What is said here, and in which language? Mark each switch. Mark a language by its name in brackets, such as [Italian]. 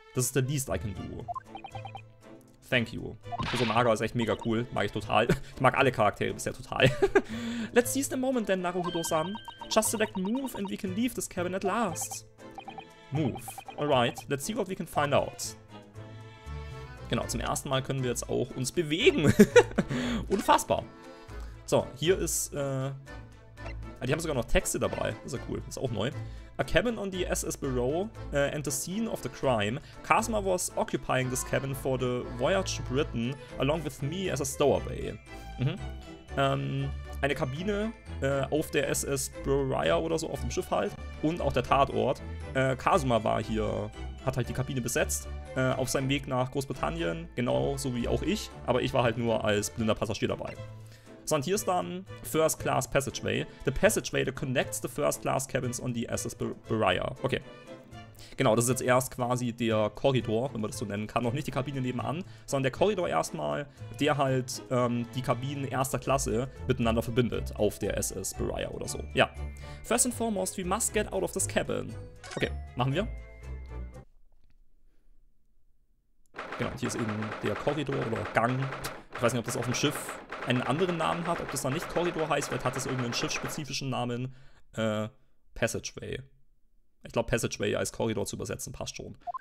[English] This is the least I can do. Thank you. [German] Hosonaga ist echt mega cool. Mag ich total. Ich mag alle Charaktere bisher total. [English] Let's seize the moment then, Naruhodo-san. Just select move and we can leave this cabin at last. Move. Alright, let's see what we can find out. [German] Genau, zum ersten Mal können wir jetzt auch uns bewegen. Unfassbar. So, hier ist, die haben sogar noch Texte dabei. Ist ja cool. Ist auch neu. [English] A cabin on the SS Bureau and the scene of the crime. Kazuma was occupying this cabin for the voyage to Britain along with me as a stowaway. Mhm. [German] Eine Kabine auf der SS Bureau oder so, auf dem Schiff halt. Und auch der Tatort. Kazuma war hier, hat halt die Kabine besetzt. Auf seinem Weg nach Großbritannien. Genau so wie auch ich. Aber ich war halt nur als blinder Passagier dabei. So, und hier ist dann First Class Passageway. [English] The passageway that connects the First Class Cabins on the SS Beria. Okay. [German] Genau, das ist jetzt erst quasi der Korridor, wenn man das so nennen kann. Noch nicht die Kabine nebenan, sondern der Korridor erstmal, der halt die Kabinen erster Klasse miteinander verbindet auf der SS Beria oder so. Ja. [English] First and foremost, we must get out of this cabin. [German] Okay, machen wir. Genau, hier ist eben der Korridor oder Gang. Ich weiß nicht, ob das auf dem Schiff einen anderen Namen hat, ob das dann nicht Korridor heißt, vielleicht hat es irgendeinen schiffspezifischen Namen, Passageway. Ich glaube, Passageway als Korridor zu übersetzen passt schon.